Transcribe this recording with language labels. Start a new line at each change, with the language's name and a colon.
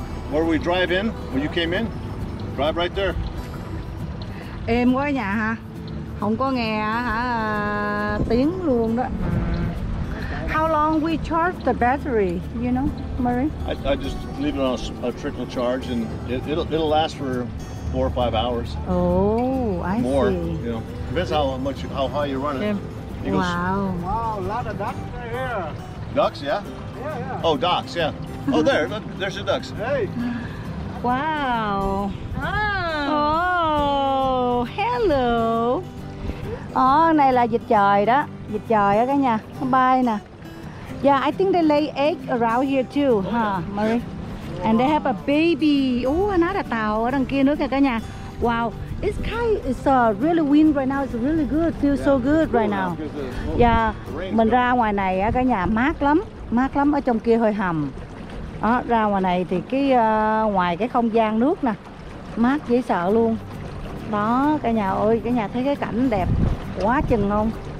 English: Where we drive in, when you came in. Drive right there.
Vietnamese: Êm quá nhà ha. Không có nghe hả tiếng luôn đó.
English: How long we charge the battery, you know, Murray? I just leave it on a trickle charge and it'll last for 4 or 5 hours. Oh, I more, see. More, you know. Depends how high you run it. Wow. Wow, a lot of ducks right here. Ducks, yeah? Yeah, yeah. Oh, ducks, yeah. Oh, there, there's the ducks. Hey. Wow. Ah.
Vietnamese: Oh, hello. Oh, này là vịt trời đó. Vịt trời đó cả nhà. Bay nè.
English: Yeah, I think they lay egg around here too, oh, huh, yeah. Mary? Wow. And they have a baby.
Vietnamese: Oh, another tàu ở đằng kia nữa kìa cả nhà.
English: Wow. It's kind of, it's really wind right now. It's really good. Feels yeah, so good right now. Yeah.
Vietnamese: Mình ra ngoài này á cả nhà, mát lắm. Mát lắm, ở trong kia hơi hầm. Đó, ra ngoài này thì cái ngoài cái không gian nước nè. Mát dễ sợ luôn. Đó, cả nhà ơi, cả nhà thấy cái cảnh đẹp quá chừng không?